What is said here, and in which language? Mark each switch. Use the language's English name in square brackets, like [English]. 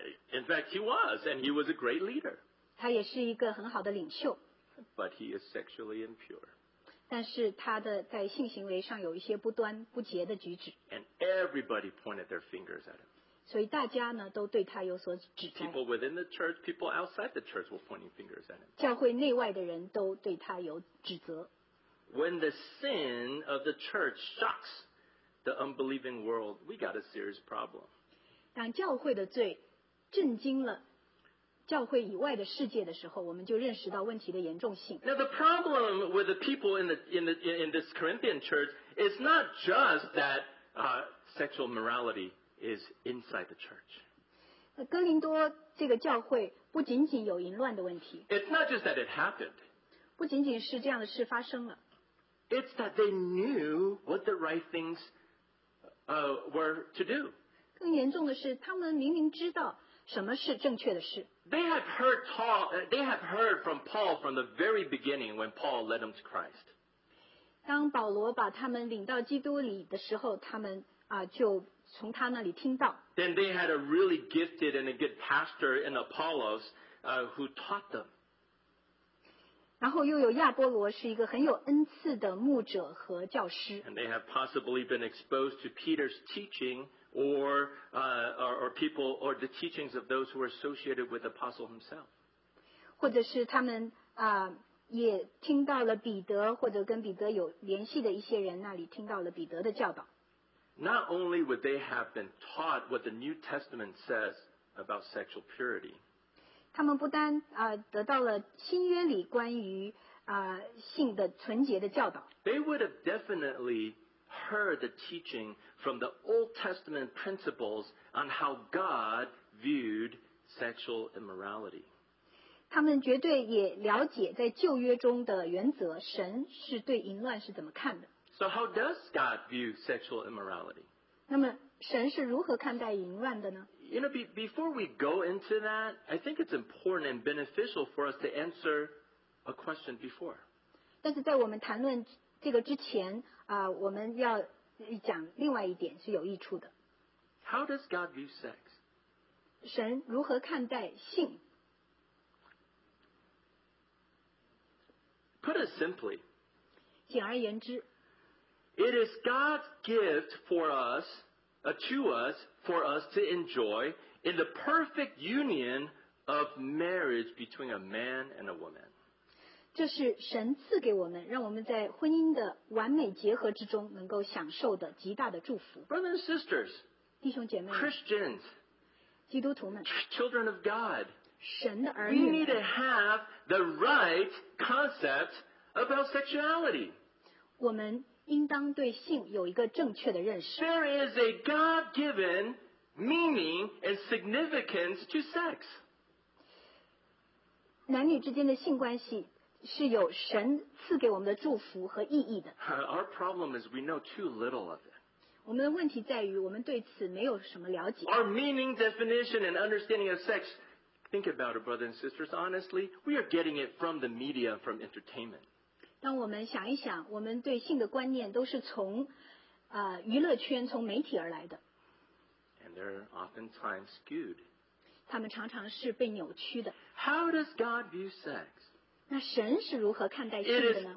[English] in fact he was and he was a great leader [Chinese] 他也是一个很好的领袖 [English] but he is sexually impure [Chinese] 但是他的在性行为上有一些不端不洁的举止 [English] and everybody pointed their fingers at him [Chinese] 所以大家呢都对他有所指摘 [English] people within the church people outside the church were pointing fingers at him [Chinese] 教会内外的人都对他有指责 [English] when the sin of the church shocks the unbelieving world we got a serious problem [Chinese] 当教会的罪震惊了教会以外的世界的时候，我们就认识到问题的严重性。 [English] Now the problem with the people in this Corinthian church is not just that sexual morality is inside the church. [Chinese] 哥林多这个教会不仅仅有淫乱的问题。 [English] It's not just that it happened. [Chinese] 不仅仅是这样的事发生了。 [English] It's that they knew what the right things were to do. [Chinese] 更严重的是，他们明明知道。什么是正确的事 [English] they have heard from Paul from the very beginning when Paul led them to Christ. [Chinese] 当保罗把他们领到基督里的时候他们就从他那里听到 [English] Then they had a really gifted and a good pastor in Apollos who taught them. [Chinese] 然后又有亚波罗是一个很有恩赐的牧者和教师 [English] And they have possibly been exposed to Peter's teaching. Or people or the teachings of those who are associated with the apostle himself. [Chinese] 或者是他们也听到了彼得或者跟彼得有联系的一些人那里听到了彼得的教导。 [English] Not only would they have been taught what the New Testament says about sexual purity. [Chinese] 他们不单得到了新约里关于性的纯洁的教导。 [English] They would have definitely. Heard the teaching from the Old Testament principles on how God viewed sexual immorality. [Chinese] 他们绝对也了解在旧约中的原则，神是对淫乱是怎么看的。 [English] So how does God view sexual immorality? [Chinese] 那么神是如何看待淫乱的呢？ [English] You know, before we go into that, I think it's important and beneficial for us to answer a question before. [Chinese] 但是在我们谈论这个之前，我们要讲另外一点是有益处的。 [English] How does God view sex? [Chinese] 神如何看待性？ [English] Put it simply, [Chinese] 简而言之， [English] it is God's gift for us. To us, for us to enjoy in the perfect union of marriage between a man and a woman. [Chinese] 这是神赐给我们，让我们在婚姻的完美结合之中能够享受的极大的祝福。 [English] Brothers and sisters, [Chinese] 弟兄姐妹 [English] Christians, [Chinese] 基督徒们 [English] children of God, [Chinese] 神的儿女 [English] we need to have the right concept about sexuality. [Chinese] 我们应当对性有一个正确的认识。 [English] There is a God-given meaning and significance to sex. [Chinese] 男女之间的性关系是有神赐给我们的祝福和意义的。 [English] Our problem is we know too little of it. [Chinese] 我们的问题在于我们对此没有什么了解。 [English] Our meaning, definition, and understanding of sex, think about it, brothers and sisters, honestly, we are getting it from the media, from entertainment. [Chinese] 当我们想一想，我们对性的观念都是从娱乐圈、从媒体而来的。 [English] And they're oftentimes skewed. [Chinese] 他们常常是被扭曲的。 [English] How does God view sex? [Chinese] 那神是如何看待性的呢？